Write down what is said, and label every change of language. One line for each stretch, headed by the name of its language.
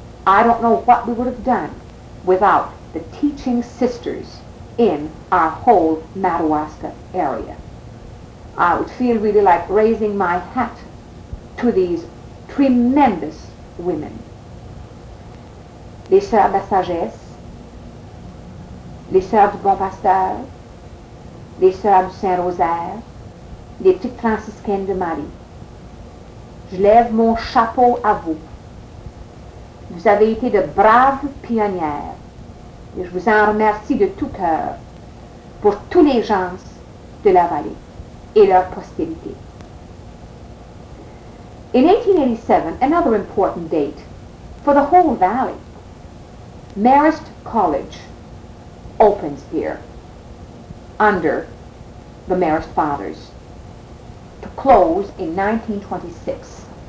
English: I don't know what we would have done without the teaching sisters in our whole Madawaska area. I would feel really like raising my hat to these tremendous women.
French: Les Sœurs de la Sagesse, les Sœurs du Bon Pasteur, les Sœurs du Saint-Rosaire, les petites franciscaines de Marie. Je lève mon chapeau à vous. Vous avez été de braves pionnières et je vous en remercie de tout cœur pour tous les gens de la vallée et leur postérité.
English: In 1887, another important date for the whole valley, Marist College opens here under the Marist Fathers to close in 1926.